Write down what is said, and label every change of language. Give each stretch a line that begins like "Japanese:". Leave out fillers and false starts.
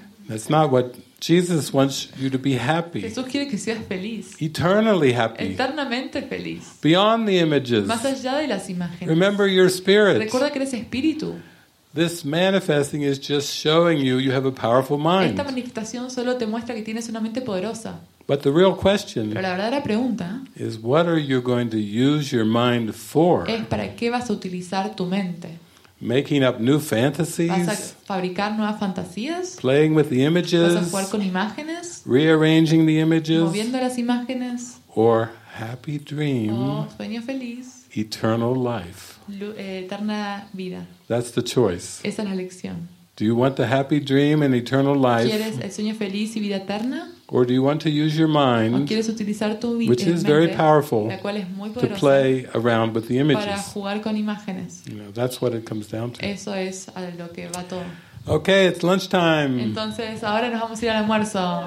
English: That's not what Jesus wants you to be happy.
Spanish: Jesús quiere que seas feliz.
English: Eternally happy.
Spanish: Eternamente feliz.
English: Beyond the images.
Spanish: Más allá de las imágenes.
English: Remember your spirit.
Spanish: Recuerda que eres espíritu.
English: This manifesting is just showing you you have a powerful mind.
Spanish: Esta manifestación solo te muestra que tienes una mente poderosa.
English: But the real question
Spanish: Pero la verdadera pregunta
English: is what are you going to use your mind for?
Spanish: Es para qué vas a utilizar tu mente.
English: Making up new fantasies?
Spanish: ¿Vas a fabricar nuevas fantasías?
English: Playing with the images?
Spanish: ¿Vas a jugar con imágenes?
English: Rearranging the images?
Spanish: Moviendo las imágenes?
English: Or happy dream?
Spanish: Oh, sueño feliz.
English: Eternal life.
Spanish: Eterna vida.
English: That's the choice.
Spanish: Esa es la elección.
English: Do you want the happy dream and eternal life?
Spanish: ¿Quieres el sueño feliz y vida eterna?
English: Or do you want to use your mind,
Spanish: ¿O quieres utilizar tu
English: mente, which is very powerful,
Spanish: la cual es muy poderosa,
English: to play around with the images?
Spanish: Para jugar con imágenes.
English: You know, that's what it comes down to.
Spanish: Eso es a lo que va todo.
English: Okay, it's lunchtime.
Spanish: Entonces, ahora nos vamos a ir al almuerzo.